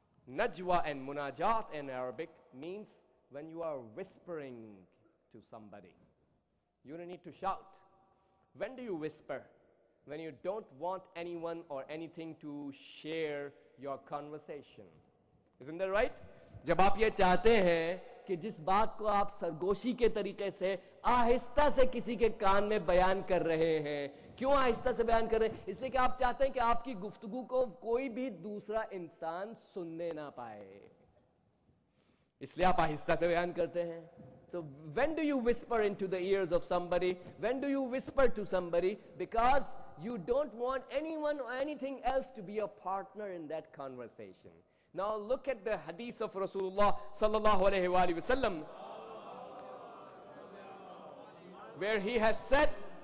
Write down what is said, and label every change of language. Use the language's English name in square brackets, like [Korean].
[English] Najwa and munajat in Arabic means when you are whispering to somebody. You don't need to shout. When do you whisper? When you don't want anyone or anything to share your conversation. Isn't that right? [Hindi] जब आप ये चाहते हैं कि जिस बात को आप सरगोशी के तरीके से आहिस्ता से किसी के कान में बयान कर रहे हैं. क्यों आहिस्ता से बयान कर रहे हैं? इसलिए कि आप चाहते हैं कि आपकी गुफ्तगू को कोई भी दूसरा इंसान सुनने ना पाए. इसलिए आप आहिस्ता से बयान करते हैं. [English] So when do you whisper into the ears of somebody? When do you whisper to somebody? Because you don't want anyone or anything else to be a partner in that conversation. Now look at the hadith of Rasulullah sallallahu alayhi wa sallam, where he has said,